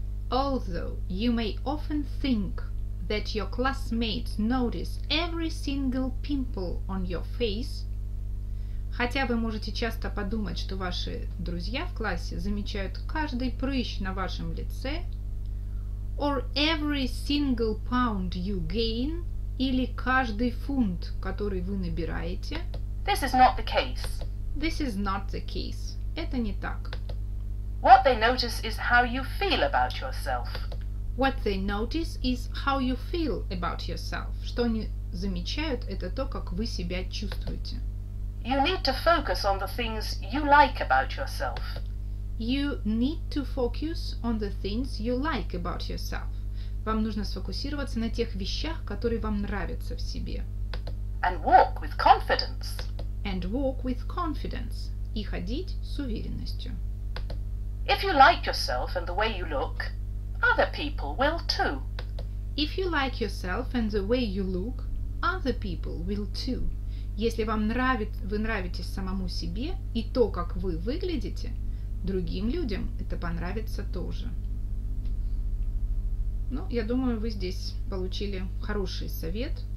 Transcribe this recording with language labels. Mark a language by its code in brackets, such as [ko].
[en] although you may often think that your classmates notice every single pimple on your face, [ru] хотя вы можете часто подумать, что ваши друзья в классе замечают каждый прыщ на вашем лице, [en] or every single pound you gain, [ru] или каждый фунт, который вы набираете. [en] This is not the case. This is not the case. Это не так. What they notice is how you feel about yourself. What they notice is how you feel about yourself. [ru] Что они замечают, это то, как вы себя чувствуете. [en] You need to focus on the things you like about yourself. You need to focus on the things you like about yourself. [ru] Вам нужно сфокусироваться на тех вещах, которые вам нравятся в себе. [en] And walk with confidence. And walk with confidence. [ru] И ходить с уверенностью. [en] If you like yourself and the way you look, other people will too. If you like yourself and the way you look, other people will too. [ru] Если вам нравится, вы нравитесь самому себе и то, как вы выглядите, другим людям это понравится тоже. Ну, я думаю, вы здесь получили хороший совет.